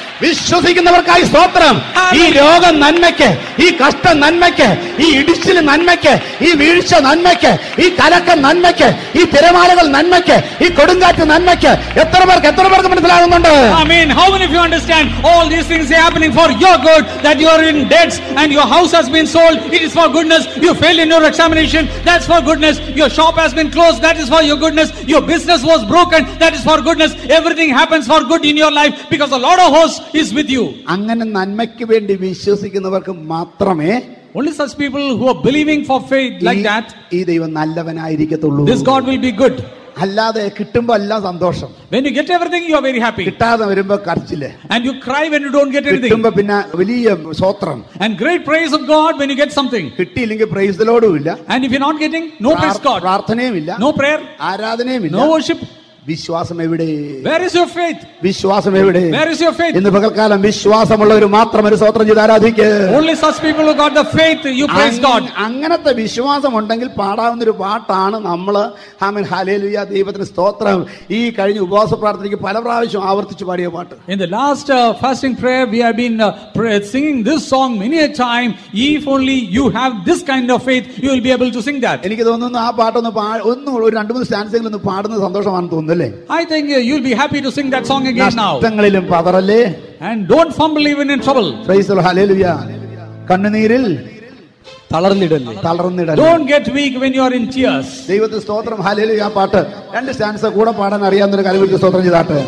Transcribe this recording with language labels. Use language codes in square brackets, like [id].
[ml] വിശ്വസിക്കുന്നവർക്കായി സ്തോത്രം. ഈ രോഗം നന്മയ്ക്ക്, ഈ കഷ്ടം നന്മയ്ക്ക്, ഈ ഇടിച്ചിൽ നന്മയ്ക്ക്, ഈ വീഴ്ച നന്മയ്ക്ക്, ഈ കലക്കം നന്മയ്ക്ക്, ഈ തിരമാലകൾ നന്മയ്ക്ക്, ഈ കൊടുങ്കാറ്റ് നന്മയ്ക്ക്. എത്ര പേർക്ക്, എത്ര പേർക്ക് മനസ്സിലാകുന്നുണ്ട്? [en] Amen. How many of you understand all these things are happening for your good, that you are in debts and your house has been sold, it is for goodness. You failed in your examination, that's for goodness. Your shop has been closed, that is for your goodness. Your business was broken, that is for goodness. Everything happens for good in your life because the Lord of hosts is with you. [ml] അങ്ങനെ നന്മയ്ക്ക് വേണ്ടി വിശ്വസിക്കുന്നവർക്ക് മാത്രമേ, [en] only such people who are believing for faith like that, [ml] ഈ ദൈവം നല്ലവനായിരിക്കത്തുള്ളൂ, [en] this God will be good. [ml] അല്ലാതെ കിട്ടുമ്പോ എല്ലാം സന്തോഷം, [en] when you get everything you are very happy. [ml] കിട്ടാതെ വരുമ്പോ കരച്ചില്, [en] and you cry when you don't get anything. [ml] കിട്ടുമ്പോ പിന്നെ വലിയ സ്തോത്രം, [en] and great praise of God when you get something. [ml] കിട്ടിയില്ലെങ്കിൽ [en] praise the Lord [ml] ഇല്ല, [en] and if you're not getting, no praise God. [ml] പ്രാർത്ഥനയും ഇല്ല, [en] no prayer. [ml] ആരാധനയും ഇല്ല, [en] no worship. [ml] വിശ്വാസം എവിടെ? [en] Where is your faith? [ml] വിശ്വാസം എവിടെ? [en] Where is your faith? [ml] ഇന്ന് പകൽക്കാലം വിശ്വാസമുള്ളവർ മാത്രം ഒരു സ്തോത്രം ചെയ്ത് ആരാധിക്കുക. [en] Only such people who got the faith, you praise God. [ml] അങ്ങനത്തെ വിശ്വാസം ഉണ്ടെങ്കിൽ പാടാവുന്ന ഒരു പാട്ടാണ് നമ്മള് ആമേൻ ഹല്ലേലൂയ ദൈവത്തിന് സ്തോത്രം. ഈ കഴിഞ്ഞ ഉപവാസ പ്രാർത്ഥനയ്ക്ക് പല പ്രാവശ്യം ആവർത്തിച്ച് പാടിയ പാട്ട്. [en] In the last fasting prayer we have been singing this song many a time. If only you have this kind of faith you will be able to sing that. [ml] എനിക്ക് തോന്നുന്നു ആ പാട്ട് ഒന്ന് ഒരു രണ്ട് മൂന്ന് സ്റ്റാൻസെങ്കിലും ഒന്ന് പാടുന്ന സന്തോഷമാണ് തോന്നുന്നത്. [en] I think you'll be happy to sing that song again now. [ml] നഷ്ടങ്ങളിലും പതറല്ലേ, [en] and don't fumble even in trouble. Praise the hallelujah. [ml] കണ്ണുനീരിൽ തളർന്നിടല്ലേ, തളർന്നിടല്ലേ. [en] Don't get weak when you are in tears. [ml] ദൈവത്തെ സ്തോത്രം. ഹല്ലേലൂയാ. പാട്ട് രണ്ട് സ്റ്റാൻസ് കൂടെ പാടാൻ അറിയാവുന്ന ഒരു കരുവിൽ സ്തോത്രം ചെയ്താട്ട്.